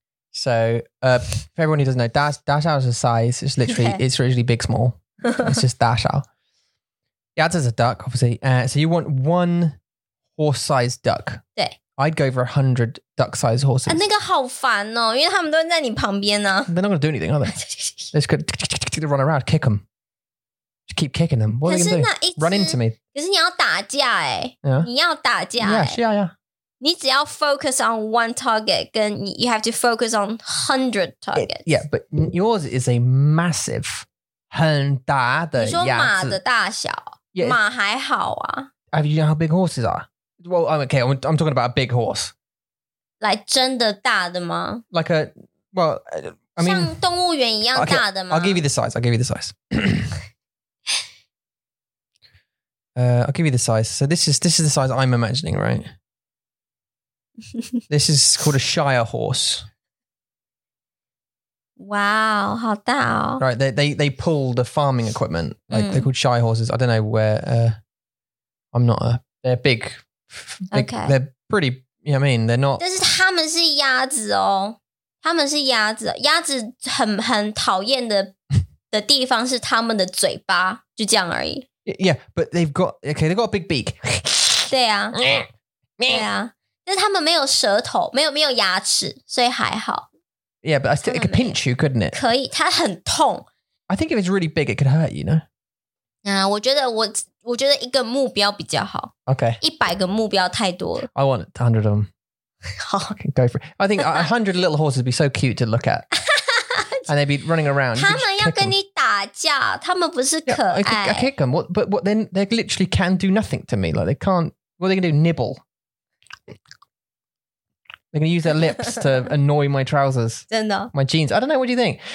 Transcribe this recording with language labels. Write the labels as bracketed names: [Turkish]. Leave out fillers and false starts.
[English] So, for everyone who doesn't know, [Chinese] 大小是 [English] size. It's literally,、okay. it's really big, small. It's just [Chinese] 大小。鸭子是 [English] duck, obviously.、so you want one horse-sized duck. [Chinese] 对。 [English] I'd go for 100 duck-sized horses.、 [Chinese] 那个好烦哦因为他们都在你旁边呢、啊。 [English] They're not going to do anything, are they? They're just going to run around, kick them. Just keep kicking them. What are they going to do? Run into me. [Chinese] 可是你要打架耶、欸 [English] yeah. [Chinese] 你要打架耶、欸。 [English] Yeah, yeah, yeah. [Chinese] 你只要 [English] focus on one target, [Chinese] 跟 [English] you have to focus on 100 targets. Yeah, but yours is a massive, [Chinese] 很大的鸭子。你说马的大小 [English] yeah, [Chinese] 马还好啊。 [English] Have you know how big horses are? Well, okay, I'm talking about a big horse. Like [Chinese] 真的大的吗? [English] Like a, well, I mean... [Chinese] 像动物园一样大的吗? [English] Okay, I'll give you the size. I'll give you the size. So this is the size I'm imagining, right? This is called a Shire horse. [Chinese] Wow, 好大哦 [English] Right, they pull the farming equipment. Like,、they're called Shire horses. I don't know where, I'm not a, they're big. Okay. They're pretty, You know what I mean? They're not. [Chinese] 但是他们是鸭子哦，他们是鸭子。鸭子很讨厌的地方是他们的嘴巴，就这样而已。 [English] Yeah, but they've got okay. They've got a big beak. [Chinese] 对啊，对啊。但是他们没有舌头，没有牙齿，所以还好。 [English] Yeah, but I still, it could pinch you, couldn't it? [Chinese] 可以，它很痛。 [English] I think if it's really big, it could hurt you, no? [Chinese] 我觉得一个目标比较好。 [English] Okay. [Chinese] 100个目标太多了。 [English] I want 100 of them. I can go for it. I think 100 little horses would be so cute to look at. And they'd be running around. [Chinese] 他们要跟你打架，他们不是可爱。 [English] Yeah, I kick them. But then they literally can do nothing to me. Like, they can't, what are they going to do? Nibble. They're going to use their lips to annoy my trousers. [Chinese] 真的? [English] My jeans. I don't know, what do you think?